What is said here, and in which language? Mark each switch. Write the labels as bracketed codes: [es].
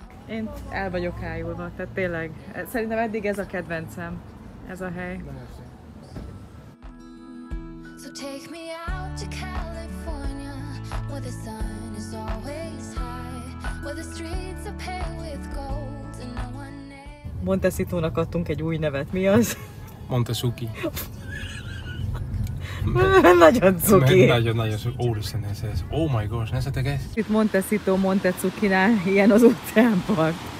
[hu] Én el vagyok ájulva, tehát tényleg, szerintem eddig ez a kedvencem, ez a hely. [en] So take me out to California, where the sun is always high, where the streets are paved with gold and no one knows. [hu] Montecitónak adtunk egy új nevet, mi az? Montesuki. Nagyon cuki. Úristen, ez. [en] Oh my gosh, [hu] nézzetek ezt. Itt Montecito, Montecukinál, ilyen az utcánpark.